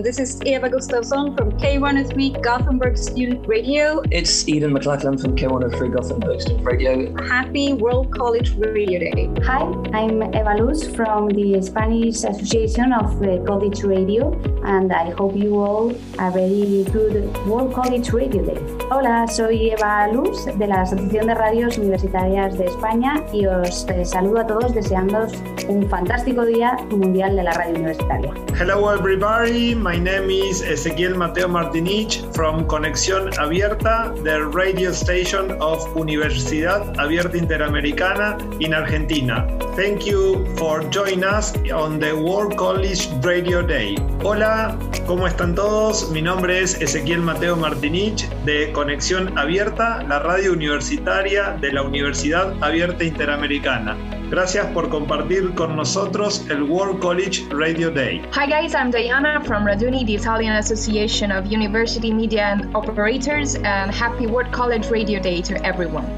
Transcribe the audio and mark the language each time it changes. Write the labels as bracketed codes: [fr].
[en] This is Eva Gustafsson from K103 Gothenburg Student Radio. It's Eden McLachlan from K103 Gothenburg Student Radio. Happy World College Radio Day. Hi, I'm Eva Luz from the Spanish Association of College Radio, and I hope you all are very good World College Radio Day. [es] Hola, soy Eva Luz de la Asociación de Radios Universitarias de España y os saludo a todos deseándoos un fantástico día mundial de la radio universitaria. [en] Hello everybody, my name is Ezequiel Mateo Martinich from Conexión Abierta, the radio station of Universidad Abierta Interamericana in Argentina. Thank you for joining us on the World College Radio Day. [es] Hola, ¿cómo están todos? Mi nombre es Ezequiel Mateo Martinich de Conexión Abierta, la radio universitaria de la Universidad Abierta Interamericana. Gracias por compartir con nosotros el World College Radio Day. [en] Hi guys, I'm Diana from Raduni, the Italian Association of University Media and Operators, and happy World College Radio Day to everyone.